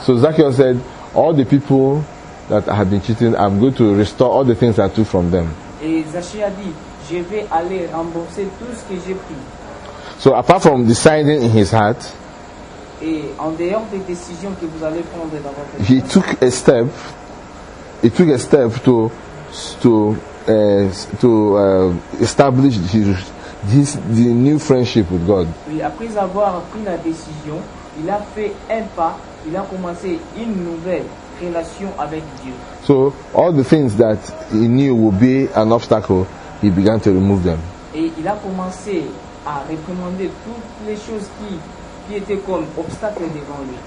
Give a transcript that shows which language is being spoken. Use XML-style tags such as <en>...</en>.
<en>So Zacchaeus said, all the people that I have been cheating, I'm going to restore all the things I took from them.</en> <fr>Et Zacchaeus a dit, je vais aller rembourser tout ce que j'ai pris.</fr> <en>So apart from deciding in his heart,</en> <fr>et en dehors des décisions que vous allez prendre dans votre vie,</fr> <en>he took a step to establish the new friendship with God.</en> <fr>Oui, après avoir pris la décision, il a fait un pas, il a commencé une nouvelle relation avec Dieu.</fr> <en>So all the things that he knew would be an obstacle, he began to remove them.</en> <fr>Et il a commencé à réprimander toutes les choses qui étaient comme obstacles devant lui.</fr>